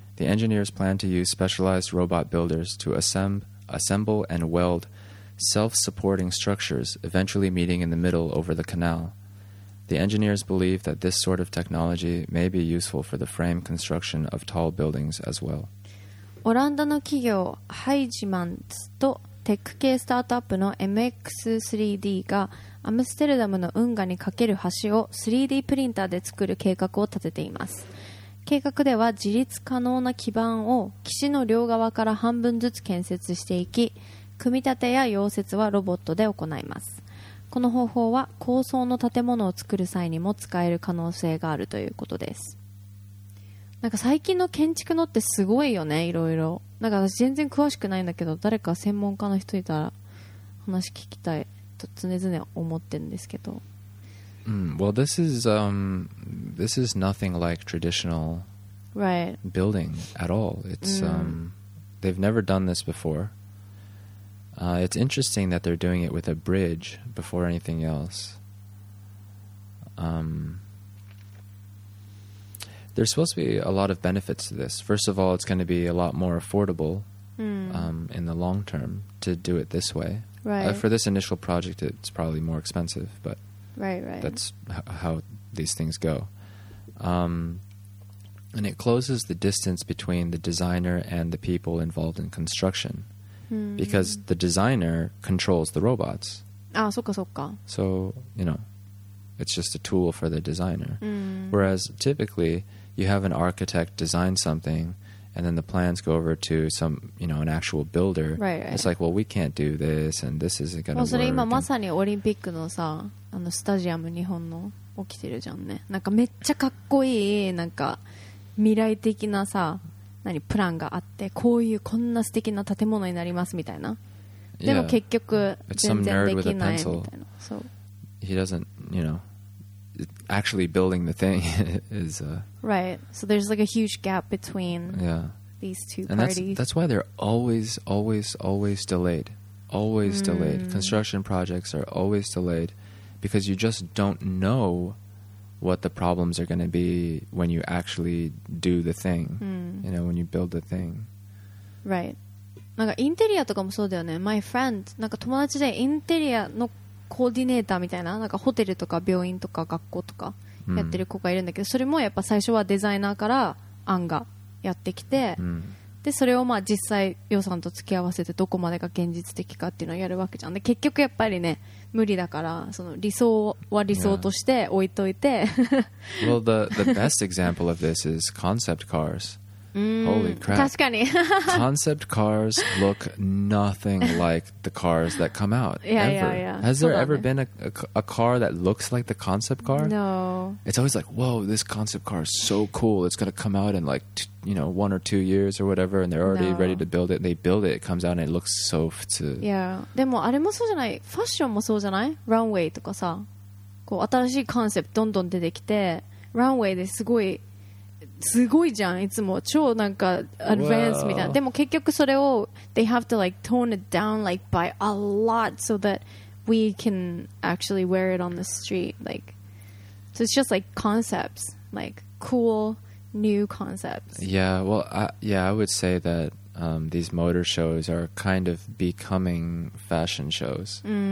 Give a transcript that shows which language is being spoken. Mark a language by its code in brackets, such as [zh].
[en] The engineers plan to use specialized robot builders to assemble and weld self-supporting structures, eventually meeting in the middle over the canal. The engineers believe that this sort of technology may be useful for the frame construction of tall buildings as well. [ja] オランダの企業ハイジマンズとテック系スタートアップの MX3D がアムステルダムの運河に架ける橋を 3D プリンターで作る計画を立てています。計画では自立可能な基板を岸の両側から半分ずつ建設していき、組み立てや溶接はロボットで行います。この方法は高層の建物を作る際にも使える可能性があるということです。なんか最近の建築のってすごいよね、いろいろ。なんか私全然詳しくないんだけど、誰か専門家の人いたら話聞きたいと常々思ってるんですけど。 [en] Well, this is nothing like traditional building at all. It's, they've never done this before. It's interesting that they're doing it with a bridge before anything else. There's supposed to be a lot of benefits to this. First of all, it's going to be a lot more affordable in the long term to do it this way. Right. For this initial project, it's probably more expensive, but that's how these things go. And it closes the distance between the designer and the people involved in construction because the designer controls the robots. [ja] Ah, そっかそっか. [en] So, you know, it's just a tool for the designer. Whereas typically, you have an architect design something and then the plans go over to some, you know, an actual builder. Right. It's like, well, we can't do this and this isn't going to work. [ja] それ今まさにオリンピックのさ、あのスタジアム日本の起きてるじゃんね。なんかめっちゃかっこいい、なんか未来的なさ、何プランがあって、こういうこんな素敵な建物になりますみたいな。でも結局全然できないみたいな。そう。 [en] He doesn't, you know, actually building the thing is right. So there's like a huge gap between these two parties. And that's why they're always delayed. Always delayed. Construction projects are always delayed because you just don't know what the problems are going to be when you actually do the thing. You know, when you build the thing. Right. [ja] なんかインテリアとかもそうだよね。 [en] My friend, [ja] なんか友達でインテリアのコーディネーターみたいな、なんかホテルとか病院とか学校とかやってる子がいるんだけど、それもやっぱ最初はデザイナーから案がやってきて、でそれをまあ実際予算と付き合わせてどこまでが現実的かっていうのをやるわけじゃん。で結局やっぱりね、無理だから、その理想は理想として置いといて、 [en] Well, the best example of this is concept cars. Holy crap. [ja] 確かに。 [en] Concept cars look nothing like the cars that come out. Yeah, ever. Yeah, yeah. Has there ever been a car that looks like the concept car? No. It's always like, whoa, this concept car is so cool. It's going to come out in like, you know, 1 or 2 years or whatever, and they're already ready to build it. They build it, it comes out, and it looks so... Yeah. [ja] でもあれもそうじゃない。ファッションもそうじゃない? Runway とかさ。こう新しいコンセプトどんどん出てきて、Runway ですごい、すごいじゃん、いつも超なんかアドバンスみたいな。でも結局それを [en] they have to like tone it down like by a lot so that we can actually wear it on the street. Like, so it's just like concepts, like cool new concepts. Yeah, well, I would say that these motor shows are kind of becoming fashion shows.